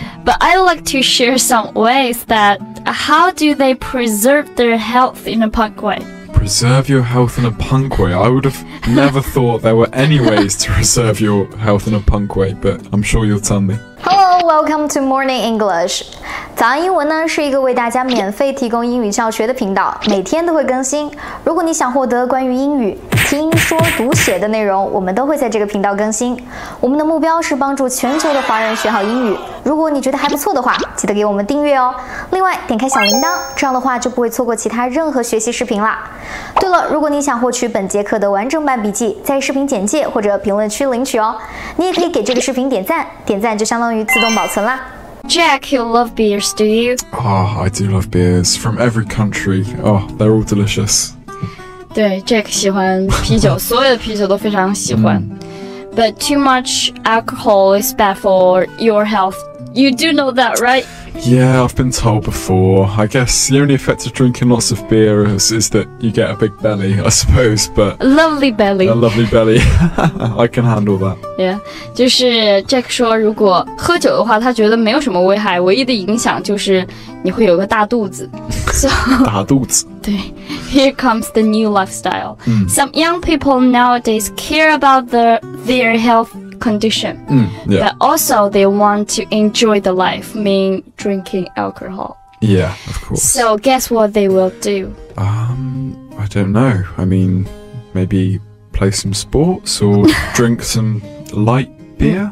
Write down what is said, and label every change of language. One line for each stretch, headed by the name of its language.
English: But I'd like to share some ways that how do they preserve their health in a punk way? Preserve your health in a punk way? I would have never thought there were any ways to preserve your health in a punk way, but I'm sure you'll tell me. Welcome to Morning English.
Chinese: 早安英文呢是一个为大家免费提供英语教学的频道，每天都会更新。如果你想获得关于英语听说读写的内容，我们都会在这个频道更新。我们的目标是帮助全球的华人学好英语。如果你觉得还不错的话，记得给我们订阅哦。另外，点开小铃铛，这样的话就不会错过其他任何学习视频啦。对了，如果你想获取本节课的完整版笔记，在视频简介或者评论区领取哦。你也可以给这个视频点赞，点赞就相当于自动保存啦。
English: Jack, you love beers, do you? Oh, I do love beers from every country. Oh, they're all delicious.
Chinese: 对 ,Jack 喜欢啤酒，所有的啤酒都非常喜欢。
English: But too much alcohol is bad for your health. You do know that, right? Yeah, I've been told before. I guess the only effect of drinking lots of beer is that you get a big belly, I suppose, but... A lovely belly. A lovely belly. I can handle that.
Chinese: Yeah, 就是 Jack 说如果喝酒的话他觉得没有什么危害，唯一的影响就是你会有个大肚子。大肚子。
English: 对。Here comes the new lifestyle. Some young people nowadays care about their health condition, but also they want to enjoy the life, mean drinking alcohol. Yeah, of course. So guess what they will do? I don't know. I mean, maybe play some sports or drink some light beer?